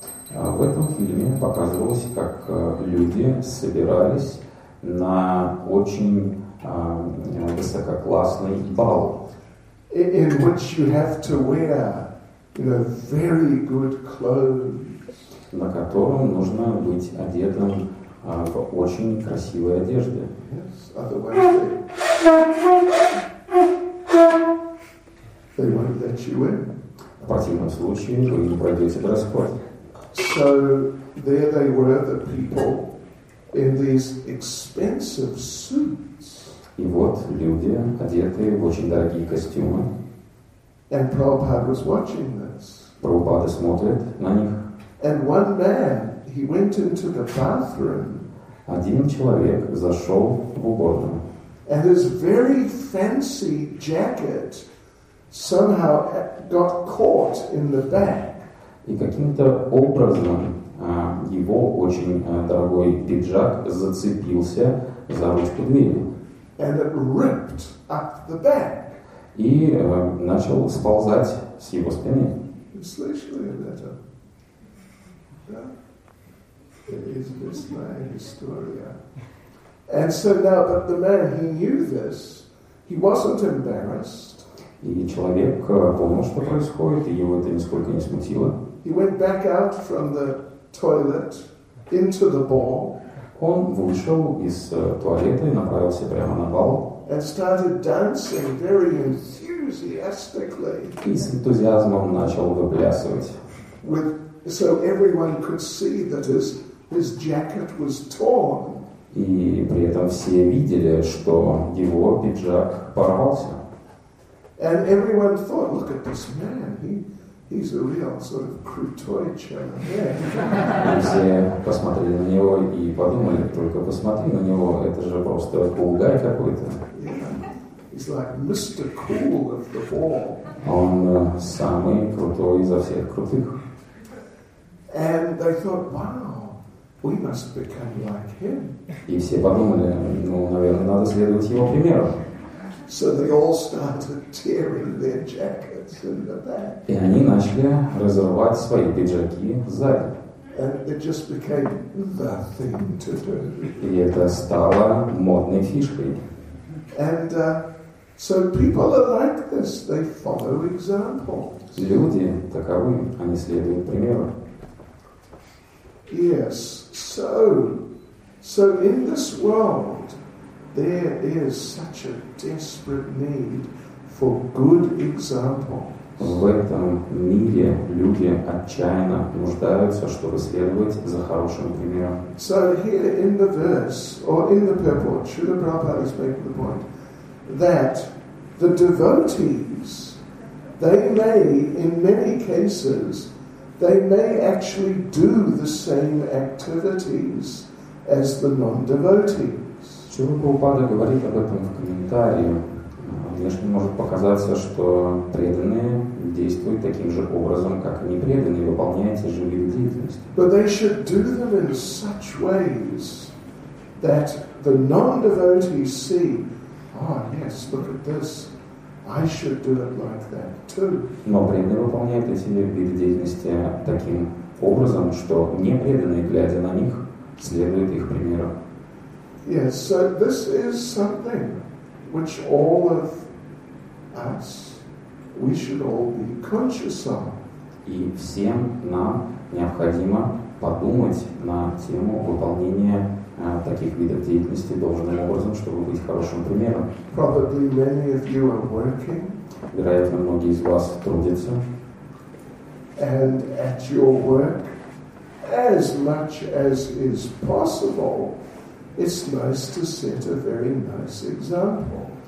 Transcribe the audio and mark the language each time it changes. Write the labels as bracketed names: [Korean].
[Russian] В этом фильме показывалось, как люди собирались на очень высококлассный бал. [English] In which you have to wear, you know, very good clothes. [Russian] На котором нужно быть одетым в очень красивой одежде. В противном случае вы не пройдете дресс-код. [English] So there they were, the people in these expensive suits. [Russian] И вот люди, одетые в очень дорогие костюмы. [English] And Prabhupada was watching this. [Russian] Прабхупада смотрит на них. [English] And one man, he went into the bathroom. [Russian] Один человек зашел в уборную. [English] And his very fancy jacket somehow got caught in the back. [Russian] И каким-то образом его очень дорогой пиджак зацепился за ручку двери. [English] And it ripped up the back. [Russian] И начал сползать с его спины. Вы слышали об этом? Да? [English] Is this my historia? And so now that the man, he knew this, he wasn't embarrassed. [Russian] И человек понял, что происходит, и его это нисколько не смутило. [English] He went back out from the toilet into the ball. [Russian] Он вышел из туалета и направился прямо на бал. [English] And started dancing very enthusiastically. [Russian] И с энтузиазмом начал выплясывать. [English] With, so everyone could see that his jacket was torn. [Russian] И при этом все видели, что его пиджак порвался. [English] And everyone thought, look at this man, he's a real sort of [Russian] крутой человек. И все посмотрели на него и подумали, только посмотри на него, это же просто полугай какой-то. [English] Yeah. He's like Mr. Cool of the ball. [Russian] Он самый крутой изо всех крутых. [English] And they thought, wow, we must become like him. [Russian] И все подумали, ну, наверное, надо следовать его примеру. [English] So they all started tearing their jackets in the back. [Russian] И они начали разрывать свои пиджаки сзади. [English] And it just became the thing to do. [Russian] И это стало модной фишкой. [English] And so people are like this, they follow examples. [Russian] Люди таковы, они следуют примеру. [English] Yes, so in this world there is such a desperate need for good examples. [Russian] В этом мире люди отчаянно нуждаются, чтобы следовать за хорошим примером. [English] So here in the verse or in the purport, Srila Prabhupada is making the point that the devotees, they may in many cases they may actually do the same activities as the non-devotees. [Russian] Шрила Прабхупада говорит об этом в комментарии. Внешне может показаться, что преданные действуют таким же образом, как и непреданные, выполняя те же виды деятельности. [English] But they should do them in such ways that the non-devotees see, ah, yes, look at this. I should do it like that too. [Russian] Но преданные выполняют эти виды деятельности таким образом, что непреданные, глядя на них, следуют их примеру. [English] Yes, so this is something which all of us, we should all be conscious of. [Russian] И всем нам необходимо подумать на тему выполнения таких видов деятельности должным образом, чтобы быть хорошим примером. [English] Probably many of you are working. [Russian] Вероятно, многие из вас трудятся. [English] And at your work, as much as is possible, it's nice to set a very nice example.